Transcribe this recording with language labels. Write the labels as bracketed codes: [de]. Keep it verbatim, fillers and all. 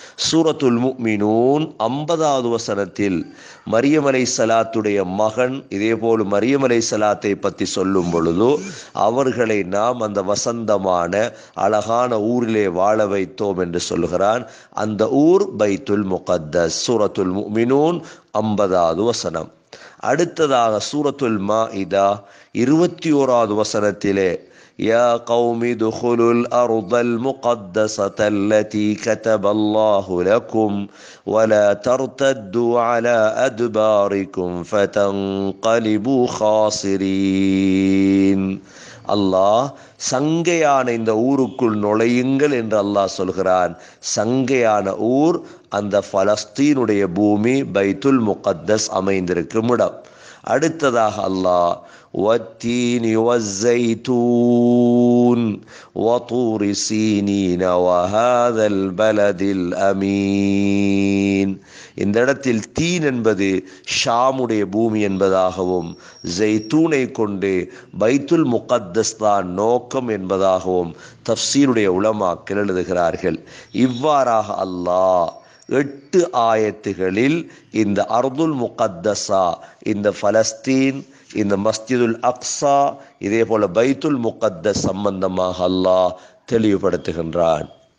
[ta] சூரத்துல் முஃமினூன் ஐம்பதாவது வசனத்தில் மரியம் அலைஹிஸ்ஸலாத்துடைய மகன், இதேபோல் மரியம் அலைஹிஸ்ஸலாத்தை பற்றி சொல்லும் பொழுது அவர்களை நாம் அந்த வசந்தமான அழகான ஊரிலே வாழ வைத்தோம் என்று சொல்கிறான். அந்த ஊர் பைத்துல் முகத்தஸ். சூரத்துல் முஃமினூன் ஐம்பதாவது வசனம். அடுத்ததாக சூரத்துல் மாஇதா இருபத்தி ஓராவது வசனத்திலே [ar] يا قوم ادخلوا الأرض المقدسة التي كتب الله لكم ولا ترتدوا على أدباركم فتنقلبوا خاسرين. [ta] அல்லாஹ் சங்கையான இந்த ஊருக்குள் நுழையுங்கள் என்று அல்லாஹ் சொல்கிறான். சங்கையான ஊர் அந்த பலஸ்தீனுடைய பூமி பைத்துல் முகத்தஸ் அமைந்திருக்கும் இடம். அடுத்ததாக அல்லாஹ் [ar] والتين والزيتون وطور سينين وهذا البلد الأمين. [ta] இந்த இடத்தில் தீன் என்பது ஷாமுடைய பூமி என்பதாகவும் ஜெய்தூனை கொண்டு பைத்துல் முகத்தஸ் தான் நோக்கம் என்பதாகவும் தஃப்சீருடைய உலமாக்கள் எழுதுகிறார்கள். இவ்வாறாக அல்லாஹ் எட்டு ஆயத்துகளில் இந்த அர்துல் முகத்தஸா, இந்த பலஸ்தீன், இந்த மஸ்ஜிதுல் அக்ஸா, இதே போல பைத்துல் முகத்தஸ் சம்பந்தமாக அல்லாஹ் தெளிவுபடுத்துகின்றான்.